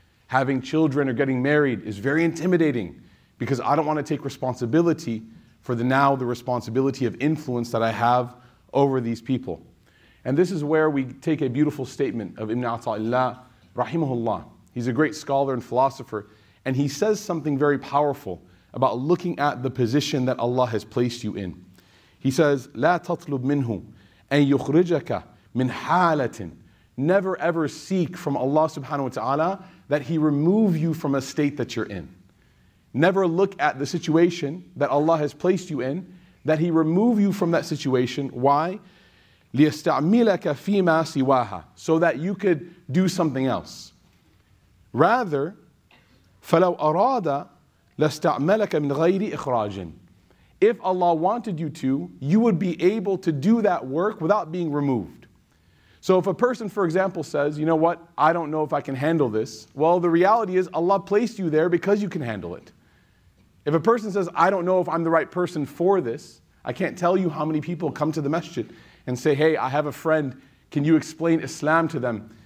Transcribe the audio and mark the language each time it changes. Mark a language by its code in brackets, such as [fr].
[en] Having children or getting married is very intimidating because I don't want to take responsibility for the now the responsibility of influence that I have over these people. And this is where we take a beautiful statement of Ibn Ata'illah, rahimahullah. He's a great scholar and philosopher, and he says something very powerful about looking at the position that Allah has placed you in. [ar] He says, لَا تَطْلُبْ مِنْهُ أَن يُخْرِجَكَ مِنْ حَالَةٍ. [en] Never ever seek from Allah subhanahu wa ta'ala that he remove you from a state that you're in. Never look at the situation that Allah has placed you in, that he remove you from that situation. Why? [ar] لِيَسْتَعْمِلَكَ فِي مَا سِوَاهَا. [en] So that you could do something else. Rather, [ar] فَلَوْ أَرَادَ لَسْتَعْمَلَكَ مِنْ غَيْرِ إِخْرَاجٍ. [en] If Allah wanted you to, you would be able to do that work without being removed. So if a person, for example, says, you know what, I don't know if I can handle this. Well, the reality is Allah placed you there because you can handle it. If a person says, I don't know if I'm the right person for this, I can't tell you how many people come to the masjid and say, hey, I have a friend, can you explain Islam to them?